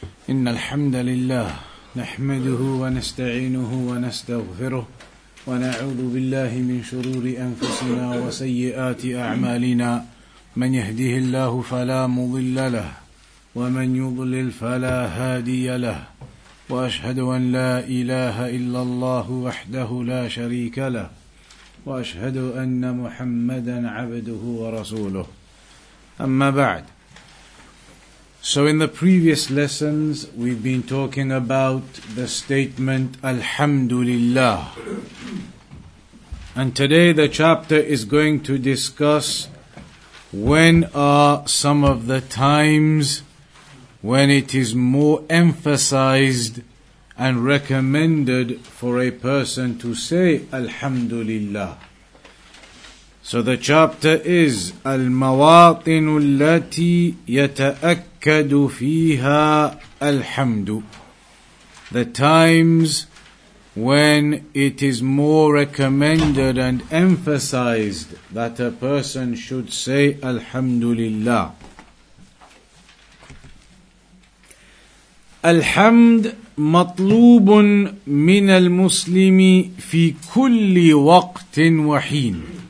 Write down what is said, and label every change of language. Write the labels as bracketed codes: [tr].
[ar] إن الحمد لله نحمده ونستعينه ونستغفره ونعوذ بالله من شرور أنفسنا وسيئات أعمالنا من يهده الله فلا مضل له ومن يضلل فلا هادي له وأشهد أن لا إله إلا الله وحده لا شريك له وأشهد أن محمدا عبده ورسوله أما بعد. [en] So in the previous lessons, we've been talking about the statement Alhamdulillah. And today the chapter is going to discuss when are some of the times when it is more emphasized and recommended for a person to say Alhamdulillah. So the chapter is [ar] المواطن التي يتأكد فيها الحمد. [en] The times when it is more recommended and emphasized that a person should say Alhamdulillah. [ar] الحمد مطلوب من المسلم في كل وقت وحين.